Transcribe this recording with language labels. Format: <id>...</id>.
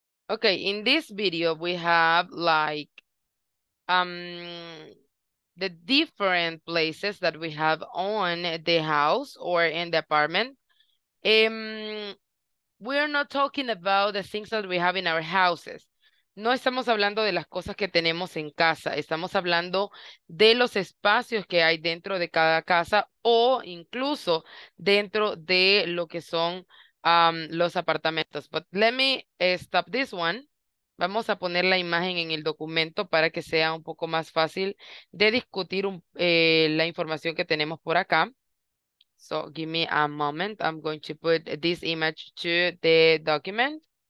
<en>Okay, in this video, we have like the different places that we have on the house or in the apartment. We're not talking about the things that we have in our houses.</en> <es>No estamos hablando de las cosas que tenemos en casa. Estamos hablando de los espacios que hay dentro de cada casa o incluso dentro de lo que son los apartamentos.</es> <en>But let me stop this one.</en> <es>Vamos a poner la imagen en el documento para que sea un poco más fácil de discutir la información que tenemos por acá.</es> <en>So give me a moment. I'm going to put this image to the document.</en>